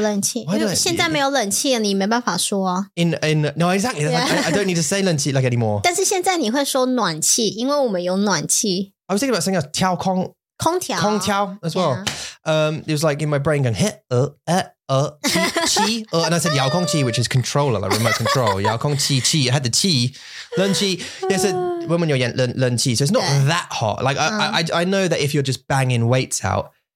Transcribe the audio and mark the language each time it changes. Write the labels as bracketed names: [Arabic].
[Chinese] 冷气, 现在没有冷气了, 你没办法说啊。 [English] No, exactly, I don't need to say 冷气 like anymore. [Chinese] 但是现在你会说暖气, 因为我们有暖气。 [English] I was thinking about saying 调空, [Chinese] 空调, [English] 空调 as well. Yeah. It was like in my brain going, hit, and I said 遥控器, which is controller, like remote control. 遥控器, 气, I had the 气, 冷气, yeah, so [Chinese] 我们有冷气, [English] so it's not that hot. Like, I know that if you're just banging weights out,